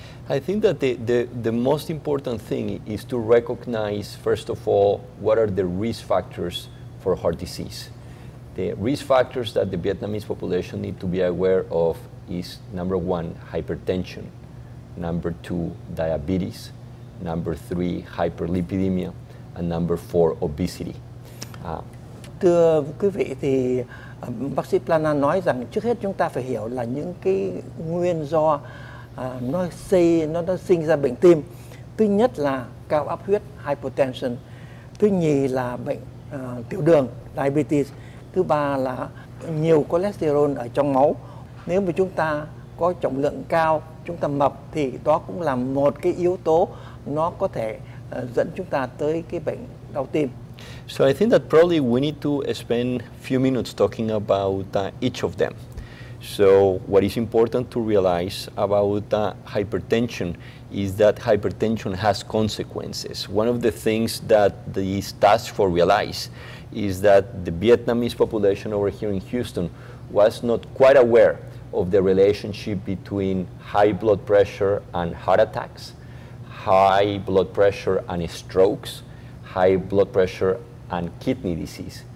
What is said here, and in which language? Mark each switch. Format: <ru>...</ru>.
<en>I think that the most important thing is to recognize, first of all, what are the risk factors for heart disease. The risk factors that the Vietnamese population need to be aware of is, number one, hypertension, number two, diabetes, number three, hyperlipidemia, and number four, obesity.</en> <vi>Thưa quý vị, thì bác sĩ Plana nói rằng trước hết chúng ta phải hiểu là những cái nguyên do nó sinh ra bệnh tim. Thứ nhất là cao áp huyết, hypertension. Thứ nhì là bệnh tiểu đường, diabetes. Thứ ba là nhiều cholesterol ở trong máu. Nếu mà chúng ta có trọng lượng cao, chúng ta mập thì đó cũng là một cái yếu tố nó có thể dẫn chúng ta tới cái bệnh đau tim.</vi> <en>So I think that probably we need to spend few minutes talking about each of them. So what is important to realize about hypertension is that hypertension has consequences. One of the things that this task force realized is that the Vietnamese population over here in Houston was not quite aware of the relationship between high blood pressure and heart attacks, high blood pressure and strokes, high blood pressure and kidney disease.</en>